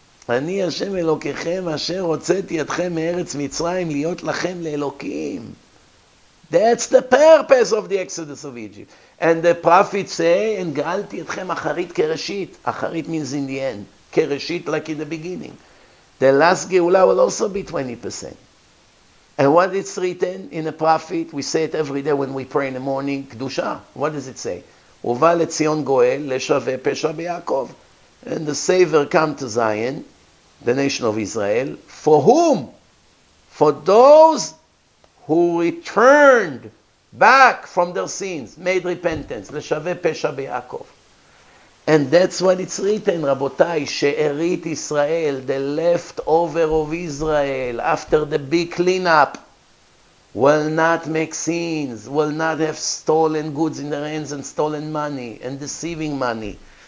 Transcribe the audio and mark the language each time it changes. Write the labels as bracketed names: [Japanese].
[Hebrew] אני השם אלוקיכם אשר הוצאתי אתכם מארץ מצרים להיות לכם לאלוקים. [English] That's the purpose of the Exodus of Egypt. And the prophets say, and [Hebrew] גאלתי אתכם אחרית כראשית. [English] אחרית means in the end. כראשית like in the beginning. The last geula will also be 20%. And what it's written in the prophet, we say it every day when we pray in the morning, Kedusha. What does it say? [Hebrew] ובא לציון גואל לשווה פשע ביעקב. [English] And the Savior come to Zion, the nation of Israel. For whom? For those who returned back from their sins, made repentance. [Hebrew] Leshave pesha be'akov. [English] And that's what it's written, Rabotai, [Hebrew] She'erit Israel, [English] the leftover of Israel, after the big cleanup, will not make sins, will not have stolen goods in their hands and stolen money and deceiving money.